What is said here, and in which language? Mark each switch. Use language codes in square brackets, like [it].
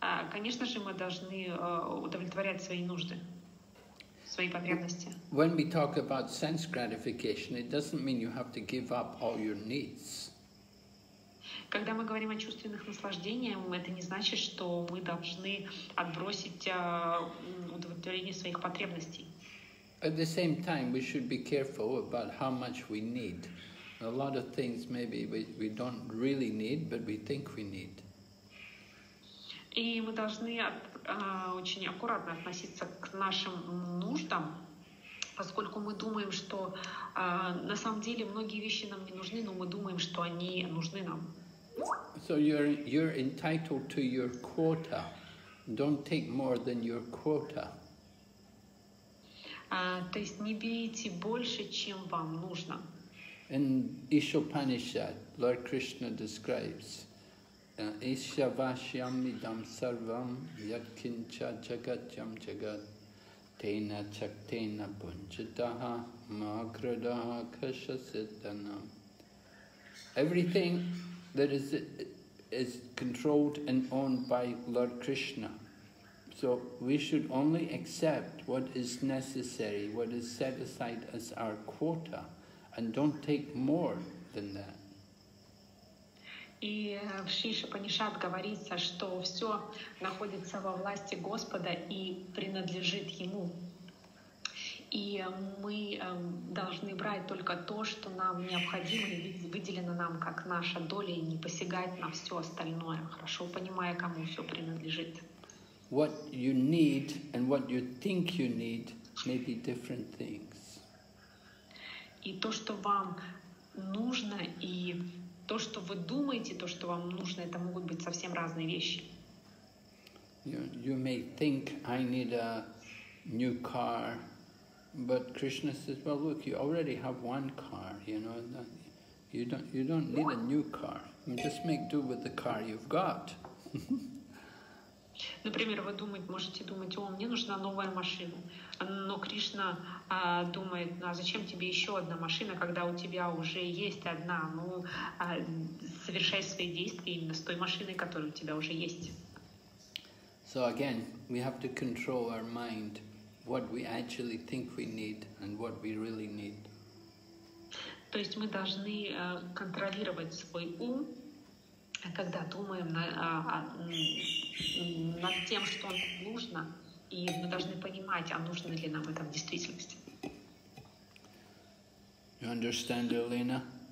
[ru] Конечно же, мы должны удовлетворять свои нужды, свои потребности. [en] When we talk about sense gratification, it doesn't mean you have to give up all your needs. [ru] Когда мы говорим о чувственных наслаждениях, это не значит, что мы должны отбросить удовлетворение своих потребностей. [en] At the same time, we should be careful about how much we need. A lot of things maybe we don't really need, but we think we need. [ru] И мы должны очень аккуратно относиться к нашим нуждам, поскольку мы думаем, что на самом деле многие вещи нам не нужны, но мы думаем, что они нужны нам. [en] So you're entitled to your quota. Don't take more than your quota. [ru] То есть не берите больше, чем вам нужно. [en] In Ishopanishad, Lord Krishna describes, [sa] Isha vashyam idam sarvam yatkincha jagatyam jagat tena chaktena punjataha magradaha kashasiddhanam. [en] Everything that is controlled and owned by Lord Krishna. So we should only accept what is necessary, what is set aside as our quota, and don't take more than that. [ru] И в Шриша Панишад говорится, что все находится во власти Господа и принадлежит Ему. И мы должны брать только то, что нам необходимо и выделено нам как наша доля, и не посягать на все остальное, хорошо понимая, кому все принадлежит. [en] What you need and what you think you need may be different things. [ru] И то, что вам нужно, и то, что вы думаете, то, что вам нужно, это могут быть совсем разные вещи. [en] You may think I need a new car. But Krishna says, well, look, you already have one car, you know, you don't need a new car. Just make do with the car you've got. [ru] Например, вы думать, можете думать, о, мне нужна новая машина. Но Кришна думает, ну а зачем тебе еще одна машина, когда у тебя уже есть одна? Ну, совершай свои действия именно с той машиной, которая у тебя уже есть. [en] So again, we have to control our mind, what we actually think we need and what we really need. [ru] То есть мы должны контролировать свой ум, когда думаем над тем, что нужно, и мы должны понимать, а нужно ли нам это в действительности. [en] You understand, Elena?